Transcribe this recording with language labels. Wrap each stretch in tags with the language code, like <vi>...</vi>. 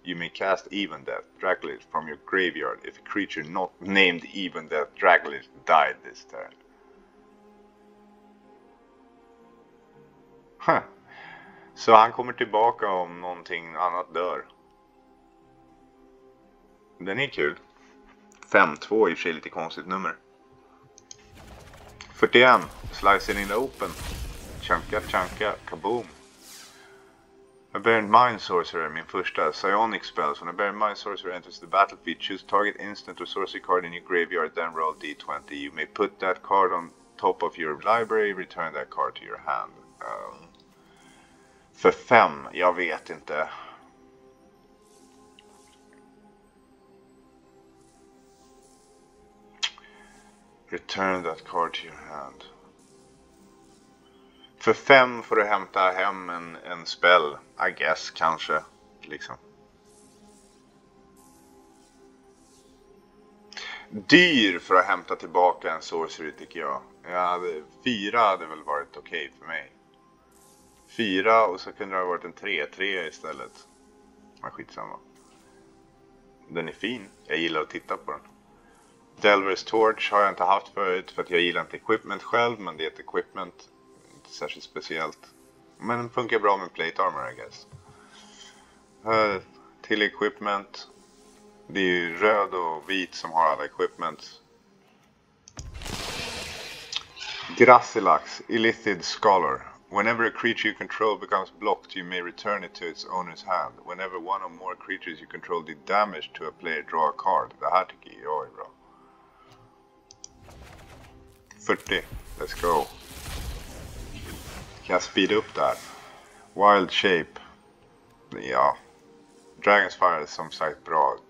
<en>You may cast Ev of Death, Draculich, from your graveyard if a creature not named Ev of Death, Draculich, died this turn. Huh.</en> <sv>Så han kommer tillbaka om någonting annat dör. Den är kul. 5-2 är i och för sig lite konstigt nummer. 41. Slicing in the open. Chanka, chanka, kaboom. A Barren Mind Sorcerer, min första.</sv> <en>Psionic spell. When a Barren Mind Sorcerer enters the battlefield, choose target instant or sorcery card in your graveyard, then roll d20. You may put that card on top of your library, return that card to your hand.</en> <sv>För 5, jag vet inte.</sv> <en>Return that card to your hand.</en> <sv>För 5 får du hämta hem en spell,</sv> <en>I guess,</en> <sv>kanske, liksom. Dyr för att hämta tillbaka en sorcery, tycker jag. Jag hade, 4 hade väl varit okej för mig. 4 och så kunde det ha varit en 3-3 istället. Men skitsamma. Den är fin. Jag gillar att titta på den. Delver's Torch har jag inte haft förut. För att jag gillar inte equipment själv. Men det är ett equipment. Inte särskilt speciellt. Men den funkar bra med plate armor,</sv> <en>I guess.</en> <sv>Till equipment. Det är ju röd och vit som har alla equipment. Grassilax. Illithid Scholar.</sv> <en>Whenever a creature you control becomes blocked, you may return it to its owner's hand. Whenever one or more creatures you control did damage to a player, draw a card.</en> <sv>Det här tycker jag är bra. 40.</sv> <en>Let's go.</en> <sv>Kan jag speeda upp där? Wild Shape. Ja. Dragon's Fire är som sagt bra.</sv>